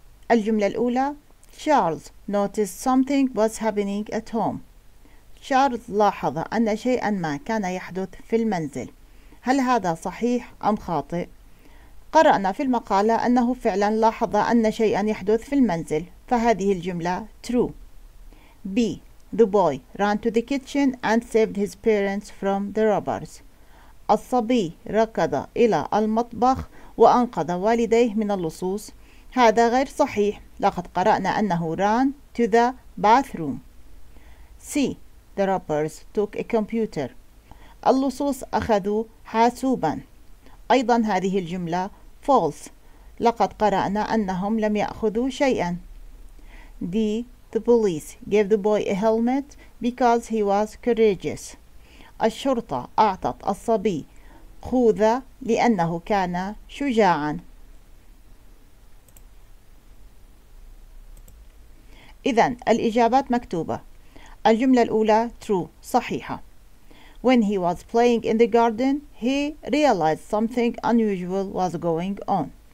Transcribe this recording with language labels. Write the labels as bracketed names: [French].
[Arabic] الجملة الأولى, [English] Charles noticed something was happening at home. [Arabic] Charles لاحظ أن شيئا ما كان يحدث في المنزل. هل هذا صحيح أم خاطئ؟ قرأنا في المقالة أنه فعلا لاحظ أن شيئا يحدث في المنزل, فهذه الجملة true. [English] B. The boy ran to the kitchen and saved his parents from the robbers. [Arabic] الصبي ركض إلى المطبخ وأنقذ والديه من اللصوص. هذا غير صحيح, لقد قرأنا أنه [English] ran to the bathroom. C. The robbers took a computer. [Arabic] اللصوص أخذوا حاسوبا. أيضا هذه الجملة false, لقد قرأنا أنهم لم يأخذوا شيئا. [English] D. The police gave the boy a helmet because he was courageous. [Arabic] الشرطة أعطت الصبي خوذة لأنه كان شجاعا. إذن الإجابات مكتوبة. الجملة الأولى true, صحيحة. [English] When he was playing in the garden, he realized something unusual was going on.